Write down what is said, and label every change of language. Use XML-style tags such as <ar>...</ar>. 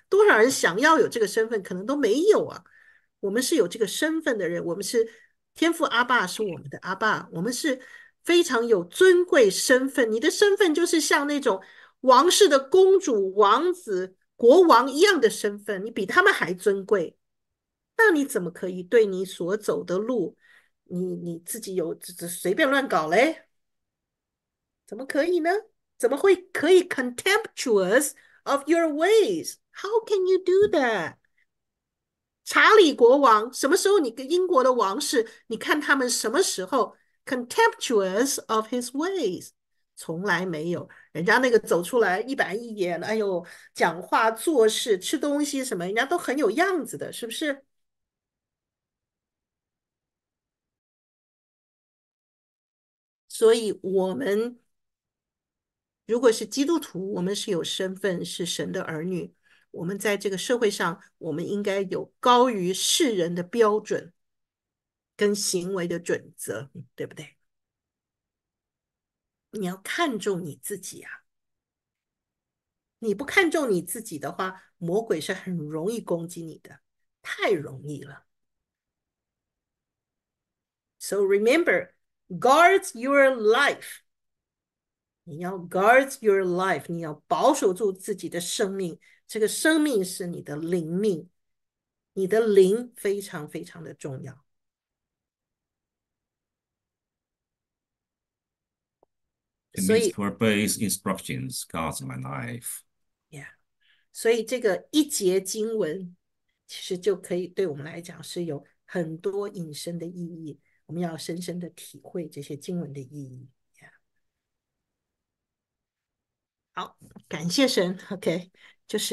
<zh>多少人想要有这个身份，可能都没有啊。我们是有这个身份的人，我们是天父阿爸，是我们的阿爸，我们是非常有尊贵身份。你的身份就是像那种王室的公主、王子、国王一样的身份，你比他们还尊贵。那你怎么可以对你所走的路，你自己有这随便乱搞嘞？怎么可以呢？怎么会可以</zh> <en>contemptuous of your ways? How can you do that?</en> <zh>查理国王什么时候？你跟英国的王室，你看他们什么时候</zh> <en>contemptuous of his ways？</en> <zh>从来没有，人家那个走出来一板一眼，哎呦，讲话、做事、吃东西什么，人家都很有样子的，是不是？所以我们。如果是基督徒，我们是有身份，是神的儿女。我们在这个社会上，我们应该有高于世人的标准跟行为的准则，对不对？你要看重你自己啊！你不看重你自己的话，魔鬼是很容易攻击你的，太容易了。</zh> <en>So remember, guard your life.</en> <zh>你要</zh> <en>guard your life，</en> <zh>你要保守住自己的生命。这个生命是你的灵命，你的灵非常非常的重要。</zh> <en>It</en> <zh>所</zh> <en>means</en> <zh>以</zh> <en>to obey his instructions, guards my life.</en> <zh>所以这个一节经文其实就可以对我们来讲是有很多引申的意义。我们要深深的体会这些经文的意义。好，感谢神。OK，就</zh>